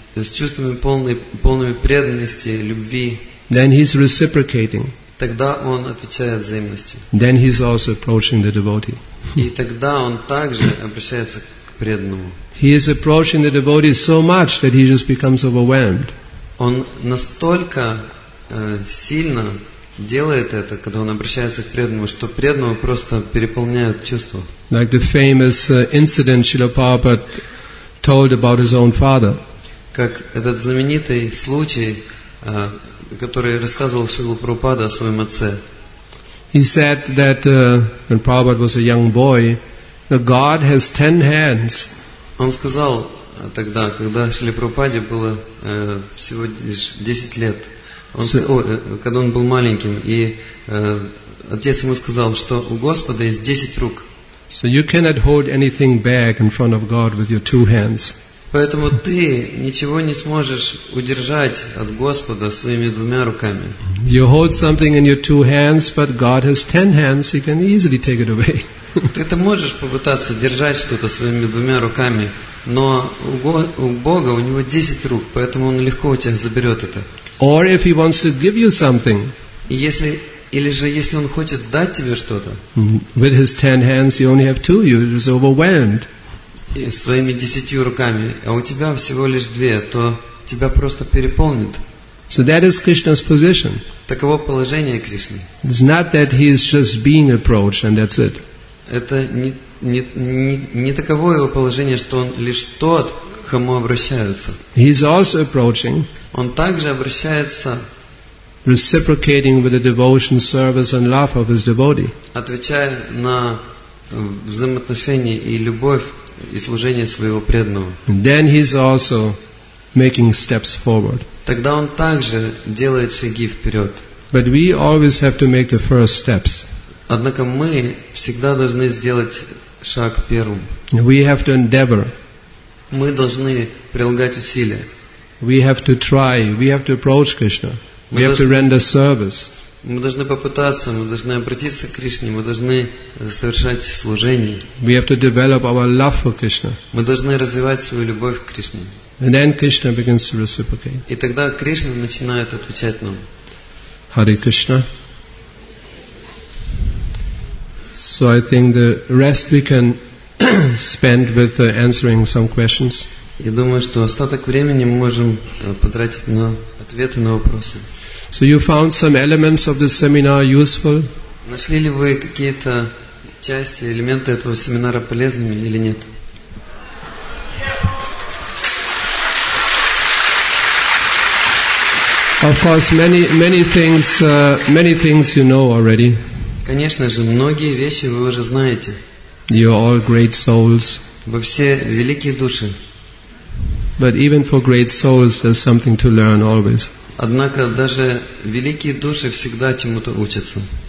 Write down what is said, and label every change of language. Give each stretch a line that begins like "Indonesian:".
Russian: С чувствами полной преданности, любви.
English: Then he's reciprocating.
Russian: Тогда он отвечает взаимностью.
English: Then he's also approaching the devotee.
Russian: И тогда он также обращается к преданному.
English: He is approaching the devotee so much that he just becomes overwhelmed.
Russian: Он настолько сильно делает это, когда он обращается к преданному, что преданного просто переполняют чувства.
English: Like the famous incident Srila Prabhupada told about his own father.
Russian: Как этот знаменитый случай, который рассказывал Шрила Прабхупада о своем отце.
English: He said that when Prabhupada was a young boy, that God has 10 hands.
Russian: Он сказал тогда, когда Шрила Прабхупаде было всего лишь 10 лет, когда он был маленьким, и отец ему сказал, что у Господа есть 10 рук.
English: So you cannot hold anything back in front of God with your two hands.
Russian: Поэтому ты ничего не сможешь удержать от Господа своими двумя руками.
English: You hold something in your two hands, but God has 10 hands, he can easily take it away.
Russian: Ты это можешь попытаться держать что-то своими двумя руками, но у Бога, у него 10 рук, поэтому он легко у тебя заберет это.
English: Or if he wants to give you something.
Russian: Если он хочет дать тебе что-то.
English: With his 10 hands, you only have 2, you're just overwhelmed.
Russian: И своими 10 руками, а у тебя всего лишь 2, то тебя просто переполнит.
English: So that is Krishna's position.
Russian: Таково положение Кришны.
English: It's not that he is just being approached and that's it.
Russian: Это не, не таково его положение, что он лишь тот, к кому обращаются.
English: He is also approaching.
Russian: Он также обращается.
English: Reciprocating with the devotion, service, and love of his devotee.
Russian: Отвечая на взаимоотношения и любовь и служение своего преданного.
English: Then he is also making steps forward.
Russian: Тогда он также делает шаги вперед.
English: But we always have to make the first steps.
Russian: Однако мы всегда должны сделать шаг первым.
English: We have to endeavor.
Russian: Мы должны прилагать усилия.
English: We have to try. We have to approach Krishna. We have to render service.
Russian: Мы должны попытаться, мы должны обратиться к Кришне, мы должны совершать служение.
English: We have to develop our love for Krishna.
Russian: Мы должны развивать свою любовь к Кришне.
English: And then Krishna begins to reciprocate.
Russian: И тогда Кришна начинает отвечать нам.
Sanskrit: Hare Krishna.
English: So I think the rest we can spend with answering some questions.
Russian: Я думаю, что остаток времени мы можем потратить на ответы на вопросы.
English: So you found some elements of this seminar useful?
Russian: Нашли ли вы какие-то части, элементы этого семинара полезными или нет?
English: Of course, many things you know already.
Russian: Конечно же, многие вещи вы уже знаете.
English: You're all great souls.
Russian: Вы все великие души.
English: But even for great souls, there's something to learn always.
Russian: Однако даже великие души всегда чему-то учатся.